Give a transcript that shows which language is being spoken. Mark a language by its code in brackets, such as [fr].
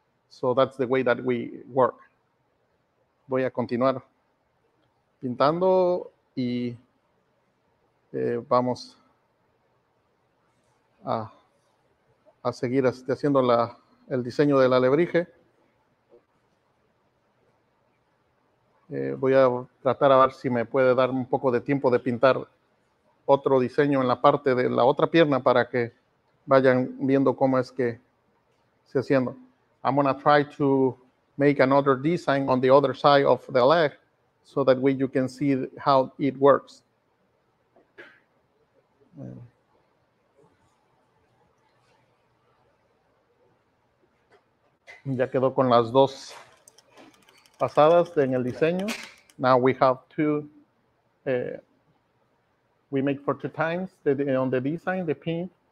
[en] So that's the way that we work. [es] Voy a continuar pintando y vamos a seguir haciendo la, el diseño del alebrije. Voy a tratar a ver si me puede dar un poco de tiempo de pintar otro diseño en la parte de la otra pierna para que vayan viendo cómo es que se haciendo. [en] I'm going to try to make another design on the other side of the leg so that way you can see how it works. [es] Ya quedó con las dos pasadas en el diseño. [en] Now we have two. We make for two times the, on the design, the paint.